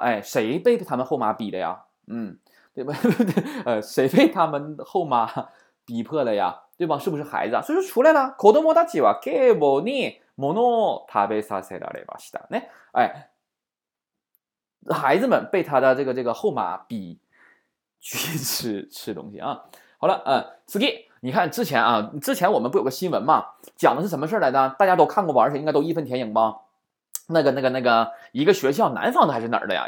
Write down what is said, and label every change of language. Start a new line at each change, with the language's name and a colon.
Chinese: 哎，谁被他们后妈逼的呀？对吧？谁被他们后妈逼迫的呀？对吧？是不是孩子啊？所以说出来了，
Japanese: 子供たちはケーボに物を食べさせられました。
Chinese: ね，哎，孩子们被他的这个后妈逼去吃东西啊。好了，次，你看之前啊，之前我们不有个新闻吗？讲的是什么事来的？大家都看过吧？而且应该都义愤填膺吧？那个一个学校，南方的还是哪儿的呀？